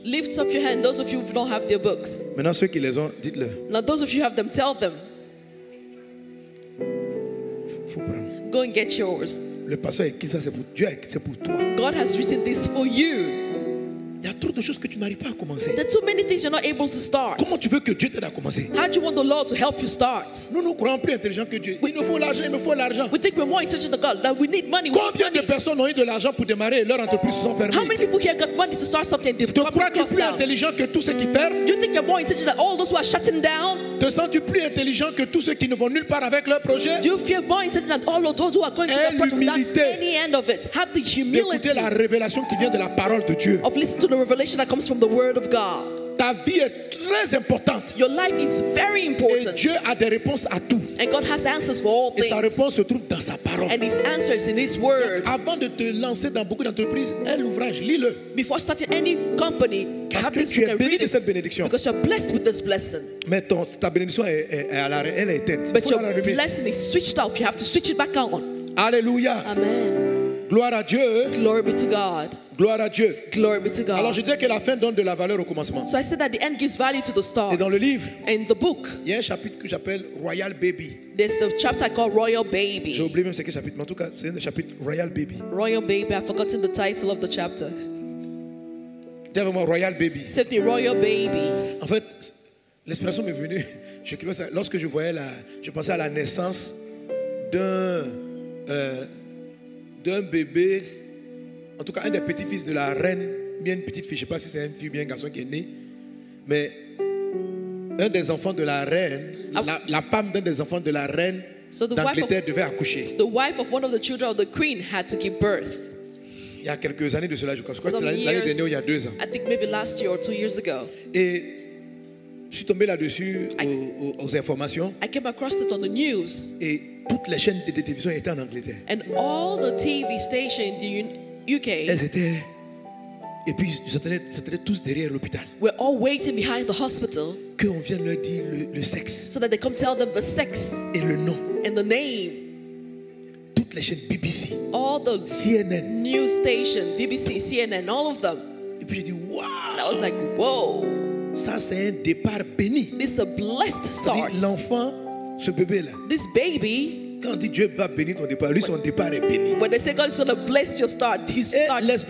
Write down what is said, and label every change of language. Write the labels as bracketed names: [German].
[English] Lift up your hand, those of you who don't have their books. [French] Maintenant, ceux qui les ont, dites-le. [English] Now, those of you who have them, tell them. Go and get yours. [French] Le pasteur écrit ça, c'est pour Dieu, c'est pour toi. [English] God has written this for you. [French] Il y a trop trop de choses que tu n'arrives pas à commencer. [English] There are too many things you're not able to start. [French] Comment tu veux que Dieu t'aide à commencer? [English] How do you want the Lord to help you start? [French] Nous nous croyons plus intelligents que Dieu. Il nous faut l'argent, il me faut l'argent. [English] We think we're more intelligent than God. That we need money. [French] Combien de personnes ont eu de l'argent pour démarrer et leur entreprise se sont fermées? [English] How many people here got money to start something? [French] Te crois-tu plus intelligent que tous ceux qui ferment? [English] Do you think you're more intelligent than all those who are shutting down? [French] Te sens-tu plus intelligent que tous ceux qui ne vont nulle part avec leur projet? [English] Do you feel more intelligent than all of those who are going to the project without any end of it? Have the humility. [French] Écoutez la révélation qui vient de la parole de Dieu. [English] Of listening to the revelation that comes from the word of God. [French] Ta vie est très importante. [English] Your life is very important. [French] Et Dieu a des réponses à tout. [English] And God has answers for all things. [French] Et sa réponse se trouve dans sa parole. [English] And his answer is in his word. [French] Donc, avant de te lancer dans beaucoup d'entreprises, un ouvrage, lis-le. [English] Before starting any company, [French] parce que tu es béni de cette bénédiction. [English] Because you're blessed with this blessing. [French] Mais ta bénédiction est à l'arrêt, elle est éteinte. [English] But your blessing is switched off. You have to switch it back on. [French] Alléluia. Amen. Gloire à Dieu. [English] Glory be to God. [French] Gloire à Dieu. [English] Glory be to God. [French] Alors je disais que la fin donne de la valeur au commencement. [English] So I said that the end gives value to the start. [French] Et dans le livre, [English] in the book, [French] il y a un chapitre que j'appelle Royal Baby. [English] There's the chapter I call Royal Baby. [French] J'ai oublié même ce que chapitre, mais en tout cas, c'est un des chapitres Royal Baby. [English] Royal Baby, I've forgotten the title of the chapter. [French] Dis avec moi Royal Baby. [English] Say me Royal Baby. [French] En fait, l'expression m'est venue, je crois ça, lorsque je voyais la, je pensais à la naissance d'un bébé. En tout cas, un des petits-fils de la reine, bien une petite fille, je ne sais pas si c'est une fille ou bien un garçon qui est né, mais un des enfants de la reine, la femme d'un des enfants de la reine d'Angleterre devait accoucher. [English] The wife of one of the children of the queen had to give birth. [French] Il y a quelques années de cela, je crois. Je crois que c'était l'année dernière, il y a 2 ans. [English] I think maybe last year or 2 years ago. [French] Et je suis tombé là-dessus aux informations. [English] I came across it on the news. [French] Et toutes les chaînes de télévision étaient en Angleterre. [English] And all the TV stations, the UK. [French] Elles étaient, et puis j'entendais tous derrière l'hôpital. [English] We're all waiting behind the hospital. [French] Que on vienne leur dire le sexe. [English] So that they come tell them the sex. [French] Et le nom. [English] And the name. [French] Toutes les chaînes BBC. [English] All the CNN. News station, BBC, CNN, all of them. [French] Et puis j'ai dit waouh. [English] And I was like whoa. [French] Ça c'est un départ béni. [English] This is a blessed start. [French] L'enfant, ce bébé là. [English] This baby. [French] Quand dit Dieu va bénir ton départ, lui son départ est béni. [English] When they say God is going to bless your start, his start is blessed.